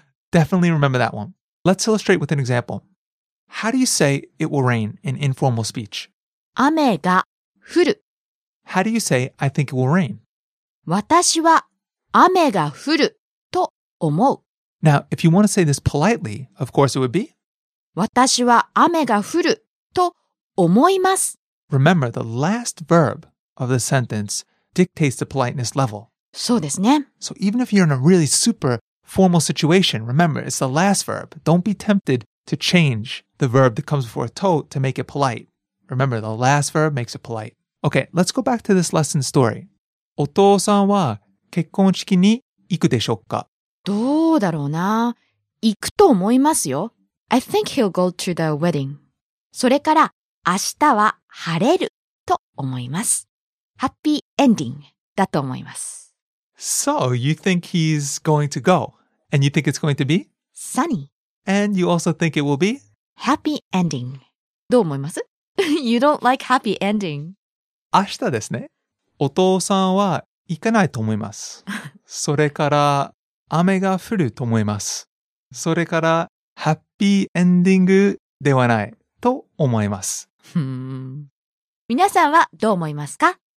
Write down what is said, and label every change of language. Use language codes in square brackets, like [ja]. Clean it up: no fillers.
[en] Definitely remember that one. Let's illustrate with an example. How do you say it will rain in informal speech? [ja] 雨が降る。 [en] How do you say I think it will rain? [ja] 私は雨が降ると思う。 [en] Now, if you want to say this politely, of course it would be? [ja] 私は雨が降ると思います。 [en] Remember, the last verb of the sentence dictates the politeness level. [ja] そうですね。 [en] So even if you're in a really super formal situation, remember, it's the last verb. Don't be tempted to change the verb that comes before to to make it polite. Remember, the last verb makes it polite. Okay, let's go back to this lesson story. [ja] お父さんは結婚式に行くでしょうか? どうだろうな。行くと思いますよ。 [en] I think he'll go to the wedding. [ja] それから明日は晴れると思います。 Happy ending だと思います。 [en] So, you think he's going to go, and you think it's going to be? Sunny. And you also think it will be? Happy ending. [ja] どう思います? [en] You don't like happy ending. [ja] 明日ですね。お父さんは行かないと思います。それから雨が降ると思います。それから happy ending ではないと思います。皆さんはどう思いますか?